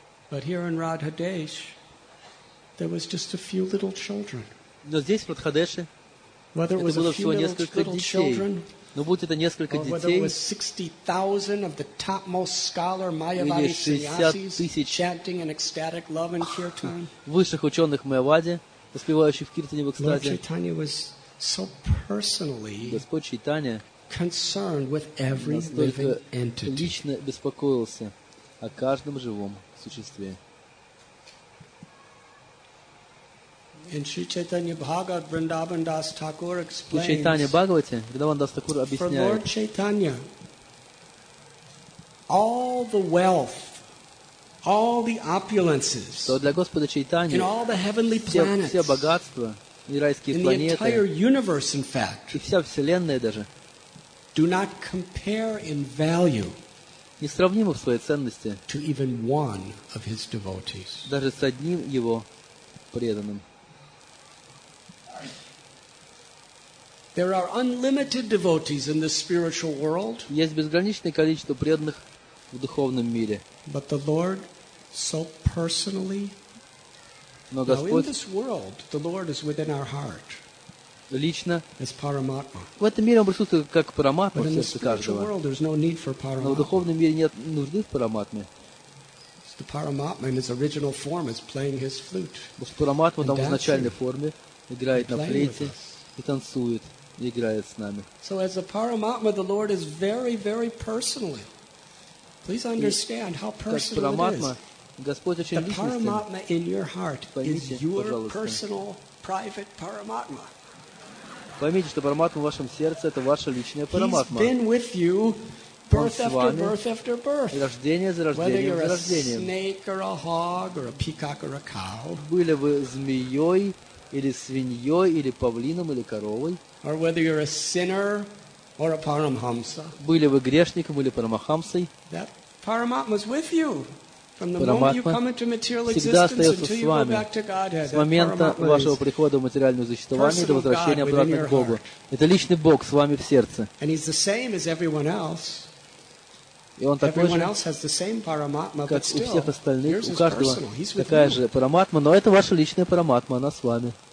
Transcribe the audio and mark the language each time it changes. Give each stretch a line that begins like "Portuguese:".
English: But here in Radhadesh, there was just a few little children.
Russian: Но здесь в Радхадеше,
English: whether it was a few little children,
Russian: Но будь это несколько детей, или 60 тысяч высших ученых Майявади, воспевающих в киртане в экстазе, Господь Чайтанья настолько лично беспокоился о каждом живом существе.
English: In Sri Chaitanya Bhagavat, Vrindavan Das Thakur explains.
Russian: Chaitanya Bhagavate, Vrindavan Das Thakur объясняет.
English: For Lord Chaitanya, all the wealth, all the opulences,
Russian: то для Господа Чайтаньи,
English: in all the heavenly planets,
Russian: все богатства и райские планеты,
English: in the entire universe, in fact,
Russian: и вся вселенная даже,
English: do not compare in value,
Russian: не сравнимы в своей ценности,
English: to even one of his devotees,
Russian: даже с одним его преданным.
English: There are unlimited devotees in the spiritual world.
Russian: Есть безграничное количество преданных в духовном мире.
English: But the Lord so personally.
Russian: Но Господь.
English: In this world, the Lord is within our heart.
Russian: Лично.
English: As Paramatma.
Russian: В этом мире он присутствует как Параматма.
English: But in the spiritual world, there's no need for Paramatma.
Russian: Но в духовном мире нет нужды в Параматме.
English: The Paramatma in his original form is playing his flute.
Russian: Параматма там в изначальной форме играет на флейте. И танцует, и играет с нами.
English: So as a Paramatma, the Lord is very, very personally. Please understand how personal it is. The Paramatma in your heart is your personal, private Paramatma.
Russian: Поймите, что Параматма в вашем сердце это ваша личная Параматма.
English: He's been with you birth after birth after birth.
Russian: Рождение за рождением за рождением.
English: Whether you're a snake or a hog or a peacock or a cow.
Russian: Были вы змеей. Или свиньей, или павлином, или коровой.
English: Or whether you're a sinner or a paramhamsa.
Russian: Были вы грешником или парамахамсой.
English: That paramatma is with you from the moment you come into material existence until you go back to Godhead.
Russian: С момента вашего прихода в материальное существование до возвращения обратно к Богу. Это личный Бог с вами в сердце.
English: And he's the same as everyone else.
Russian: И он такой
English: everyone
Russian: же,
English: else has the same paramatma,
Russian: как
English: but still,
Russian: у всех остальных, у каждого
English: personal,
Russian: такая
English: you.
Russian: Же параматма, но это ваша личная параматма, она с вами.